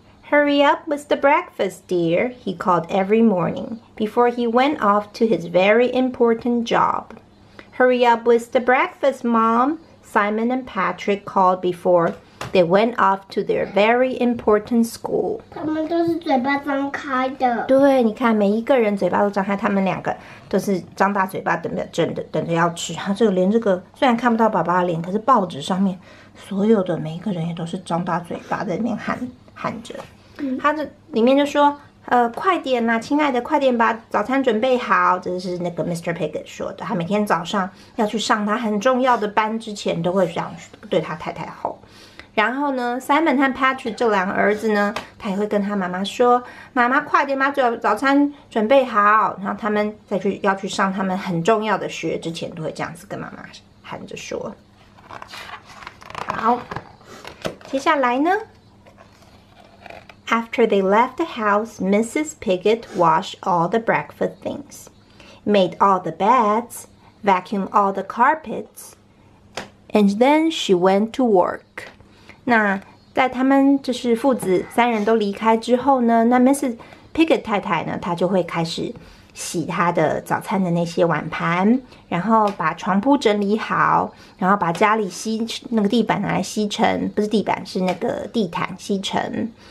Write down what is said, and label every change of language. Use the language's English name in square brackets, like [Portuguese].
[English] Hurry up with the breakfast, dear, he called every morning before he went off to his very important job. Hurry up with the breakfast, Mom, Simon and Patrick called before they went off to their very important school. [Chinese] 他们都是嘴巴张开的。对，你看每一个人嘴巴都张开，他们两个都是张大嘴巴等着要吃。他这个连这个虽然看不到爸爸的脸，可是报纸上面所有的每一个人也都是张大嘴巴在那边喊着，他里面就说：“快点啦，亲爱的，快点把早餐准备好。” 这是那个 Mr. Piggott 说的。他每天早上要去上他很重要的班之前，都会这样对他太太吼。然后呢 ，Simon 和 Patrick 这两个儿子呢，他也会跟他妈妈说：“妈妈，快点把早餐准备好。” 然后他们再去要去上他们很重要的学之前，都会这样子跟妈妈喊着说。好，接下来呢？ [English] After they left the house, Mrs. Piggott washed all the breakfast things, made all the beds, vacuumed all the carpets, and then she went to work. [Chinese] 那在他们就是父子三人都离开之后呢，那 Mrs. Piggott 太太呢，她就会开始洗她的早餐的那些碗盘，然后把床铺整理好，然后把家里吸那个地板拿来吸尘，不是地板，是那个地毯吸尘。